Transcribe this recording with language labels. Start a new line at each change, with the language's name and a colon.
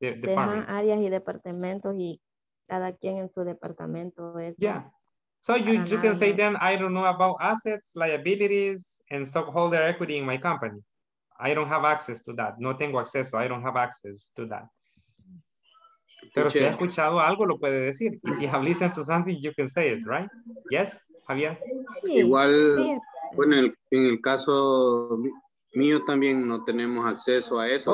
Spanish: Dejan áreas y departamentos y cada quien en su departamento es...
English: Yeah, so you can say then I don't know about assets, liabilities, and stockholder equity in my company. I don't have access to that.
Spanish: No tengo acceso.
English: I don't have access to that.
Spanish: Pero si ha escuchado algo, lo puede decir.
English: If you have listened to something, you can say it, right? Yes, Javier?
Spanish: Igual, bueno, en el caso mío también no tenemos acceso a eso.